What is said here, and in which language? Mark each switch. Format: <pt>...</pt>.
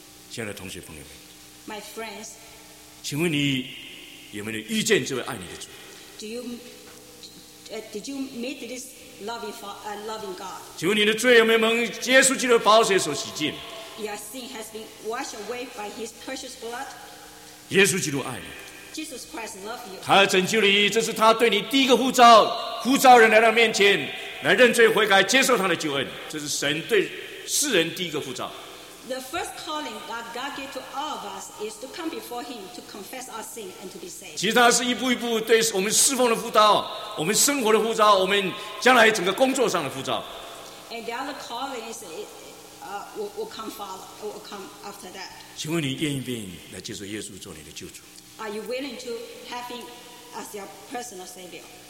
<zh>亲爱的同学朋友们</zh> <en>，My friends，</en> <zh>请问你有没有遇见这位爱你的主</zh> <en>？Did you meet this loving God？</en> <zh>请问你的罪有没有蒙耶稣基督的宝血所洗净</zh> <en>？Your sin has been washed away by His precious blood。</en> <zh>耶稣基督爱你。</zh> <en>Jesus Christ loves you.</en> <zh>他要拯救你，这是他对你第一个呼召，呼召人来到面前来认罪悔改，接受他的救恩，这是神对世人第一个呼召。</zh> <en>The first calling that God gave to all of us is to come before Him to confess our sin and to be saved.</en> <zh>其实它是一步一步对我们侍奉的呼召，我们生活的呼召，我们将来整个工作上的呼召。</zh> <en>And the other calling is will come follow, will come after that.</en> <zh>请问你愿不愿意来接受耶稣做你的救主？</zh> <en>Are you willing to have Him as your personal Savior?</en>